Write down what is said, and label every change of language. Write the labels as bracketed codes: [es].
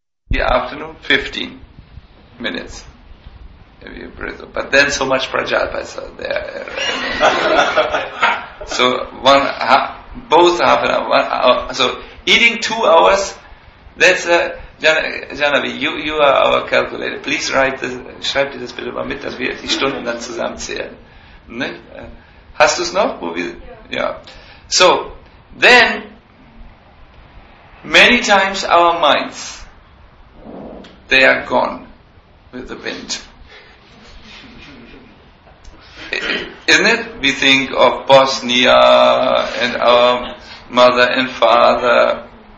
[en] The afternoon, 15 minutes. But then so much prajalpa is there. So both half an hour, 1 hour. So eating 2 hours, that's Janavi, you are our calculator. [de] Please schreib dir das bitte mal mit, dass wir die Stunden dann zusammenzählen. Ne? Hast du es noch? Ja. [en] So, then, many times our minds, they are gone with the wind. Isn't it? We think of Bosnia and our mother and father.